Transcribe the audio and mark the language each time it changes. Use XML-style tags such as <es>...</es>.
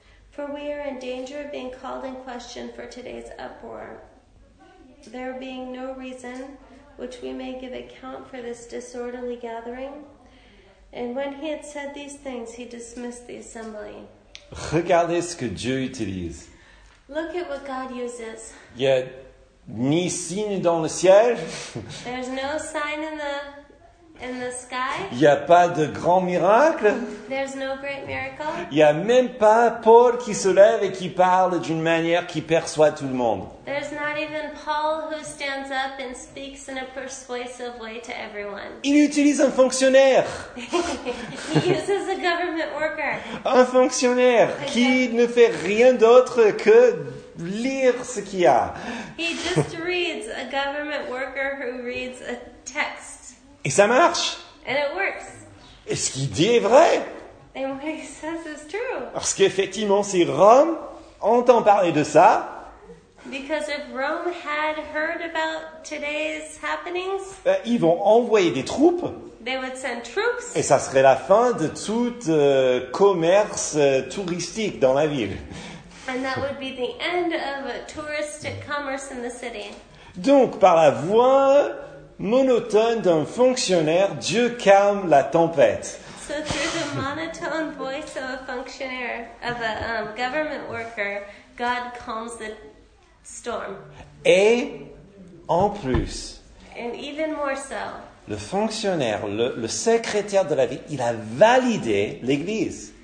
<en>For we are in danger of being called in question for today's uproar, there being no reason which we may give account for this disorderly gathering. And when he had said these things, he dismissed the assembly.</en> <fr>Regardez ce que Dieu utilise.</fr> <en>Look at what God uses.</en> <fr>Il n'y a ni signe dans le ciel.</fr> <en>There's no sign in the sky.</en> <fr>Il n'y a pas de grand miracle.</fr> <en>There's no great miracle.</en> <fr>Il n'y a même pas Paul qui se lève et qui parle d'une manière qui persuade tout le monde.</fr> <en>There's not even Paul who stands up and speaks in a persuasive way to everyone.</en> <fr>Il utilise un fonctionnaire.</fr> <en>He uses a government worker.</en> <fr>Un fonctionnaire qui ne fait rien d'autre que lire ce qu'il y a.</fr> <en>He just reads, a government worker who reads a text.</en> <fr>Et ça marche.</fr> <en>And it works.</en> <fr>Et ce qu'il dit est vrai.</fr> <en>And what he says is true.</en> <fr>Parce qu'effectivement, si Rome entend parler de ça,</fr> <en>because if Rome had heard about today's happenings,</en> <fr>ils vont envoyer des troupes.</fr> <en>They would send troops.</en> <fr>Et ça serait la fin de tout commerce touristique dans la ville.</fr> <en>And that would be the end of touristic commerce in the city.</en> <fr>Donc, par la voix monotone d'un fonctionnaire, Dieu calme la tempête.</fr> <en>So through the monotone voice of a functionary, of a government worker, God calms the storm.</en> <fr>Et en plus,</fr> <en>and even more so,</en> <fr>le fonctionnaire, le secrétaire de la ville, il a validé l'église.</fr>